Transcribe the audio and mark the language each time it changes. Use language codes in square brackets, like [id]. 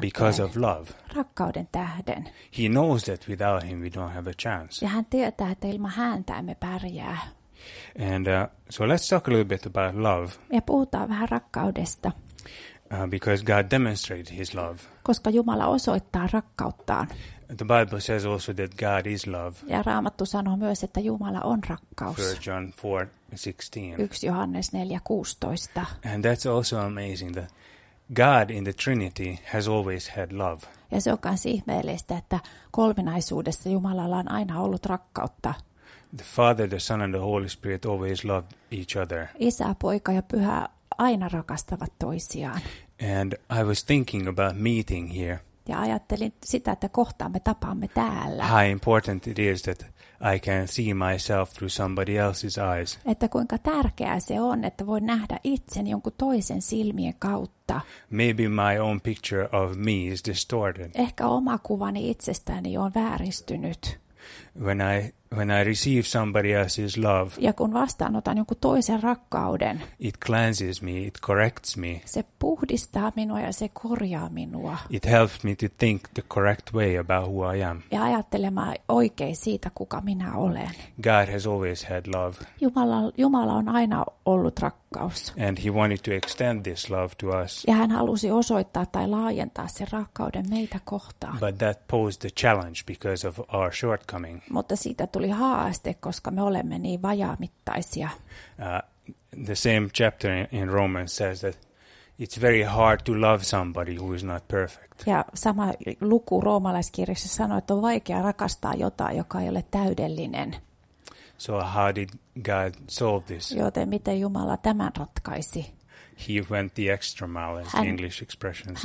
[en] Because of love. [fi] Rakkauden tähden. [en] He knows that without him we don't have a chance. [fi] Ja hän tietää, että ilman häntä emme pärjää. [en] And so let's talk a little bit about love. [fi] Ja puhutaan vähän rakkaudesta. [en] Because God demonstrated his love. [fi] Koska Jumala osoittaa rakkauttaan. [en] The Bible says also that God is love. [fi] Ja Raamattu sanoo myös, että Jumala on rakkaus. [en] 1 John 4:16. [fi] 1 Johannes 4:16. [en] And that's also amazing that God in the Trinity has always had love. [fi] Ja se on kans ihmeellistä, että kolminaisuudessa Jumalalla on aina ollut rakkautta. [en] The Father, the Son and the Holy Spirit always loved each other. [fi] Isä, Poika ja Pyhä aina rakastavat toisiaan. [en] And I was thinking about meeting here. [fi] Ja ajattelin sitä, että kohtaamme, tapaamme täällä. [en] How important it is that I can see myself through somebody else's eyes. [fi] Että kuinka tärkeää se on, että voi nähdä itseni jonkun toisen silmien kautta. [en] Maybe my own picture of me is distorted. [fi] Ehkä oma kuvani itsestäni on vääristynyt. [en] When I receive somebody else's love. [fi] Ja kun vastaanotan jonkun toisen rakkauden. [en] It cleanses me, it corrects me. [fi] Se puhdistaa minua ja se korjaa minua. [en] It helps me to think the correct way about who I am. [fi] Ja ajattelemaan oikein siitä, kuka minä olen. [en] God has always had love. [fi] Jumala on aina ollut rakkaus. [en] And he wanted to extend this love to us. [fi] Ja hän halusi osoittaa tai laajentaa sen rakkauden meitä kohtaan. [en] But that posed a challenge because of our shortcoming. [fi] Mutta siitä tuli haaste, koska me olemme niin vajaamittaisia. [en] The same chapter in Romans says that it's very hard to love somebody who is not perfect. [fi] Ja sama luku roomalaiskirjassa sanoo, että on vaikea rakastaa jotain, joka ei ole täydellinen. [en] So how did God solve this? [fi] Joten miten Jumala tämän ratkaisi? [en] He went the extra mile, as the English expression says.